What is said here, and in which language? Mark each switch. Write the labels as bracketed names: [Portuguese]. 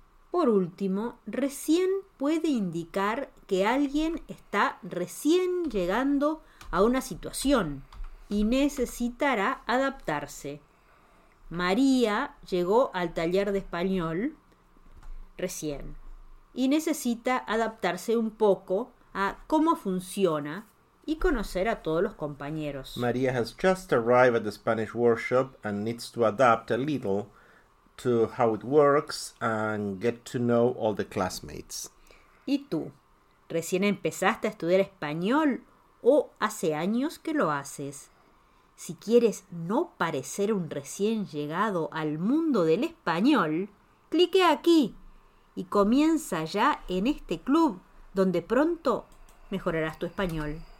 [Spanish] Por último, recién puede indicar que alguien está recién llegando a una situación y necesitará adaptarse. María llegó al taller de español recién y necesita adaptarse un poco a cómo funciona y conocer a todos los compañeros. [English] María has just arrived at the Spanish workshop and needs to adapt a little to how it works and get to know all the classmates. [Spanish] ¿Y tú? ¿Recién empezaste a estudiar español o hace años que lo haces? Si quieres no parecer un recién llegado al mundo del español, clique aquí y comienza ya en este club donde pronto mejorarás tu español.